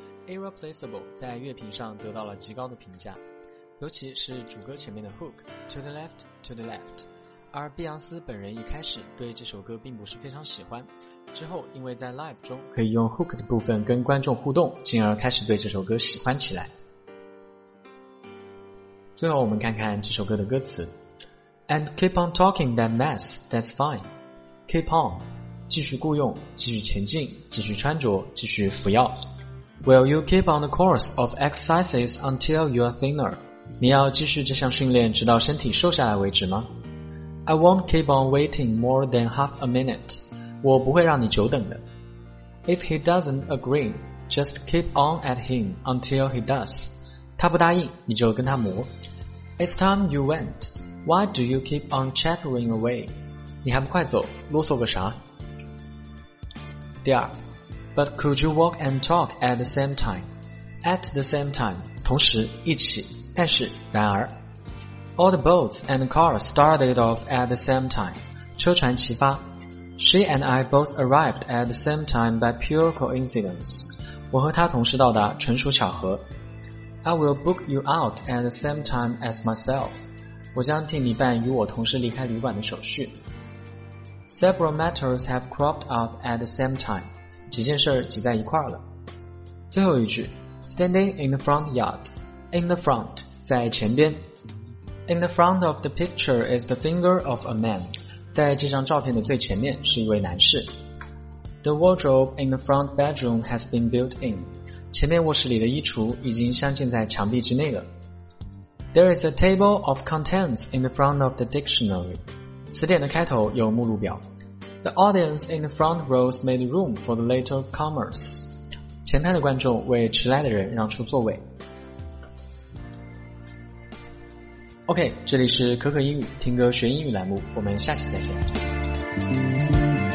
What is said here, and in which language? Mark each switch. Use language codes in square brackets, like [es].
[zh] Irreplaceable 在乐评上得到了极高的评价，尤其是主歌前面的 hook [en] To the left, to the left。 [zh] 而碧昂斯本人一开始对这首歌并不是非常喜欢，之后因为在 live 中可以用 hook 的部分跟观众互动，进而开始对这首歌喜欢起来。最后我们看看这首歌的歌词。 [en] And keep on talking that mess, that's fine. Keep on, [zh] 继续雇佣，继续前进，继续穿着，继续服药。 [en] Will you keep on the course of exercises until you are thinner? [zh] 你要继续这项训练直到身体瘦下来为止吗？ [en] I won't keep on waiting more than half a minute. [zh] 我不会让你久等的。 [en] If he doesn't agree, just keep on at him until he does. [zh] 他不答应，你就跟他磨。 [en] It's time you went. Why do you keep on chattering away? [zh] 你还不快走，啰嗦个啥？ [en] 第二 ，But could you walk and talk at the same time? At the same time, [zh] 同时，一起，但是，然而。 [en] All the boats and cars started off at the same time. [zh] 车船齐发。 [en] She and I both arrived at the same time by pure coincidence. [zh] 我和她同时到达，纯属巧合。 [en] I will book you out at the same time as myself. [zh] 我将替你办与我同时离开旅馆的手续。 [en] Several matters have cropped up at the same time. [zh] 几件事挤在一块了。最后一句 [en] Standing in the front yard. In the front, [zh] 在前边。 [en] In the front of the picture is the finger of a man. [zh] 在这张照片的最前面是一位男士。 [en] The wardrobe in the front bedroom has been built in. [zh] 前面卧室里的衣橱已经镶嵌在墙壁之内了。 [en] There is a table of contents in the front of the dictionary. [zh] 词典的开头有目录表。 [en] The audience in the front rows made room for the later comers. [zh] 前排的观众为迟来的人让出座位。 OK, 这里是可可英语听歌学英语栏目，我们下期再见。